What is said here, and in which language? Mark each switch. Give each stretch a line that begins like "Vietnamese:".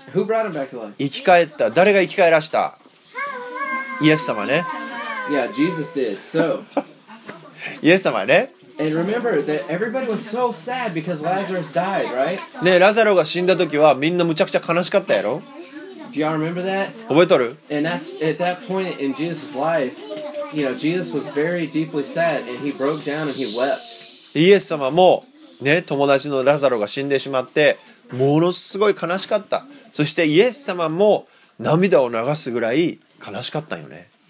English: Who brought him back to life?
Japanese: 生き返った。誰が生き返らした？イエス様ね。
English: Yeah, Jesus did. So,
Japanese: イエス様ね。
English: And remember that everybody was so sad because Lazarus died, right?
Japanese: ね、ラザロが死んだ時はみんなむちゃくちゃ悲しかったやろ。
English: Do y'all remember that?
Japanese: 覚えとる？
English: And that's, at that point in Jesus' life, you know, Jesus was very deeply sad and he broke down and he wept.
Japanese: イエス様もね、友達のラザロが死んでしまって、ものすごい悲しかった。そしてイエス様も涙を流すぐらい悲しかったよね。